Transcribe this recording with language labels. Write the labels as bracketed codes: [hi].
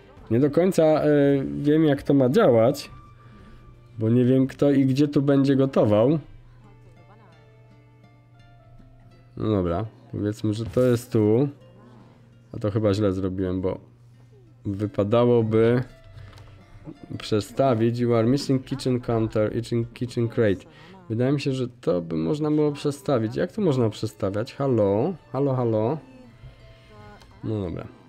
[pl] Nie do końca wiem, jak to ma działać, bo nie wiem, kto i gdzie tu będzie gotował. No dobra, powiedzmy, że to jest tu. A to chyba źle zrobiłem, bo wypadałoby przestawić. [en] You are missing kitchen counter, kitchen crate. [pl] Wydaje mi się, że to by można było przestawić. Jak to można przestawiać? Halo? Halo, halo? No dobra.